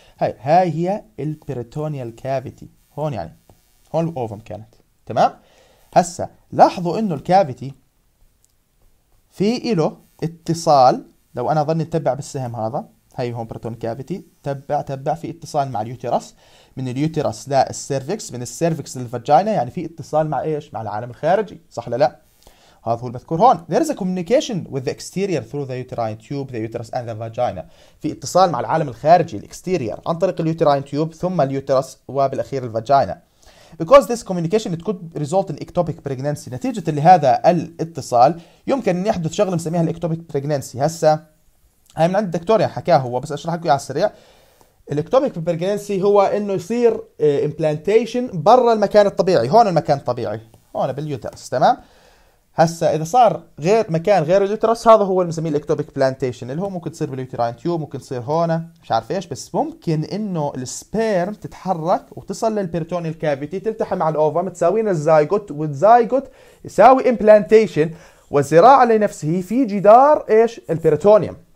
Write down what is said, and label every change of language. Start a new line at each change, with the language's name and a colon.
Arabic: هاي هي البيريتونيال كافيتي هون، يعني هون الاوفم كانت، تمام؟ هسه لاحظوا انه الكافيتي في له اتصال، لو انا ظني اتبع بالسهم هذا، هاي هون بريتون كافيتي، تبع في اتصال مع اليوترس، من اليوترس لا السيرفكس، من السيرفكس للفاجينا، يعني في اتصال مع ايش؟ مع العالم الخارجي صح ولا لا؟ هذا هو المذكور هون.
English: There is a communication with the exterior through the uterine tube, the uterus and the vagina.
Arabic: في اتصال مع العالم الخارجي الاكستيرير عن طريق اليوترين تيوب ثم اليوترس وبالاخير الفاجينا.
English: Because this communication it could result in ectopic pregnancy.
Arabic: نتيجة لهذا الاتصال يمكن ان يحدث شغلة نسميها الاكتوبيك بريجننسي. هسه هاي من عند الدكتور يعني حكاها هو، بس اشرح لكم اياها على السريع. الاكتوبيك بريجننسي هو انه يصير امبلانتيشن برا المكان الطبيعي، هون المكان الطبيعي، هون باليوترس، تمام؟ هسه اذا صار غير مكان غير اليوترس هذا هو اللي بنسميه الاكتوبيك بلانتيشن، اللي هو ممكن تصير باليوتراين تيوب، ممكن تصير هون مش عارف ايش، بس ممكن انه السبيرم تتحرك وتصل للبيرتونيال كافيتي، تلتحم مع الاوفم، تساوي لنا الزايجوت، والزايجوت يساوي امبلانتيشن، والزراعه لنفسه في جدار ايش؟ البيرتونيوم.